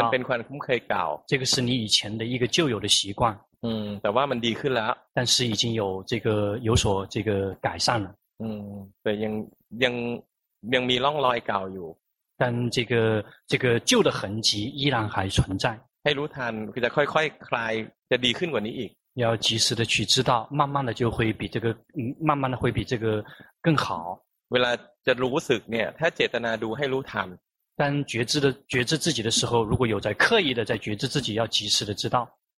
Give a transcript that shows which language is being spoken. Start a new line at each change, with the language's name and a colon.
Thai: มันเป็นความคุ้นเคยเก่า
Chinese: 这个是你以前的一个旧有的习惯
Thai: แต่ว่ามันดีขึ้นแล้ว
Chinese: 但是已经有这个有所这个改善了
Thai: แต่ยังมีร่องรอยเก่าอยู่
Chinese: 但这个旧的痕迹依然还存在
Thai: ให้รู้ทันคือจะค่อยๆ คลายจะดีขึ้นกว่านี้อีก
Chinese: 要及时的去知道慢慢的就会比这个慢慢的会比这个更好
Thai: เวลาจะรู้สึกเนี่ยถ้าเจตนาดูให้รู้ทัน
Chinese: 但觉知自己的时候如果有在刻意的在觉知自己要及时的知道